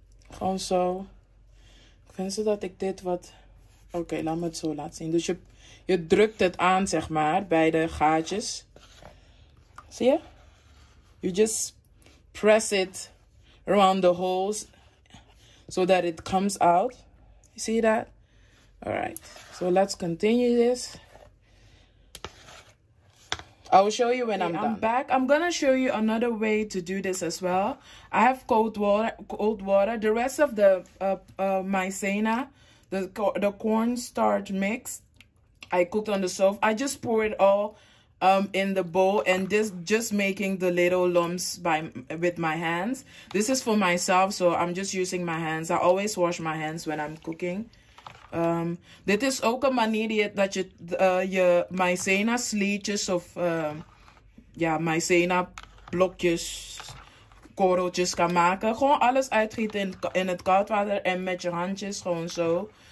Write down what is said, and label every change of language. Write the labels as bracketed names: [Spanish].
[Dutch] Gewoon zo. Ik vind ze dat ik dit wat... Oké, laat me het zo laten zien. Dus je drukt het aan, zeg maar, bij de gaatjes. Zie je? [English] You just press it around the holes so that it comes out. You see that? Alright. So let's continue this. I will show you when I'm done. I'm back. I'm gonna show you another way to do this as well. I have cold water. The rest of the maizena, the cornstarch mix, I cooked on the stove. I just pour it all in the bowl and just making the little lumps with my hands. This is for myself, so I'm just using my hands. I always wash my hands when I'm cooking. [Dutch] Dit is ook een manier dat je maïzena sliertjes of maïzena blokjes, korreltjes kan maken. Gewoon alles uitgieten in het koud water en met je handjes gewoon zo.